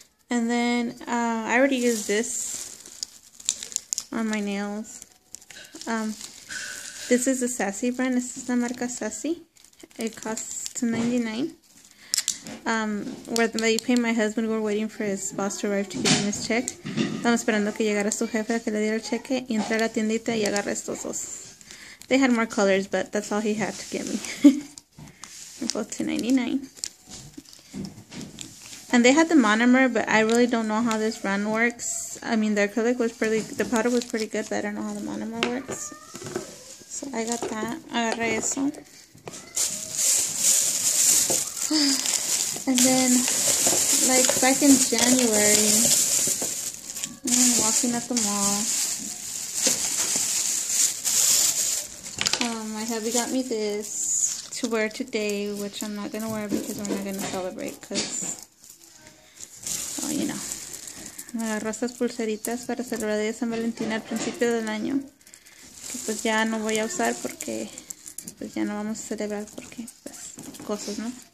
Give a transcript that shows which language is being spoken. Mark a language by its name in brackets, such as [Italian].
[English] And then, I already used this on my nails. This is a Sassy brand. This is the marca Sassy. It costs $2.99. Where they pay my husband, we're waiting for his boss to arrive to give him his check. [Spanish] Estamos esperando que llegara su jefe a que le diera el cheque y entrar a la tiendita y agarrar estos dos. [English] They had more colors, but that's all he had to give me. They're both $2.99. And they had the monomer, but I really don't know how this brand works. I mean, their acrylic was pretty, the powder was pretty good, but I don't know how the monomer works. So I got that. [Spanish] Agarré eso. [English] And then, like, back in January, I'm walking at the mall. My hubby got me this to wear today, which I'm not gonna wear because we're not gonna celebrate. [Spanish] Cause, me agarró estas pulseritas para celebrar de San Valentín al principio del año. Que pues ya no voy a usar porque, pues ya no vamos a celebrar porque, pues, cosas, ¿no?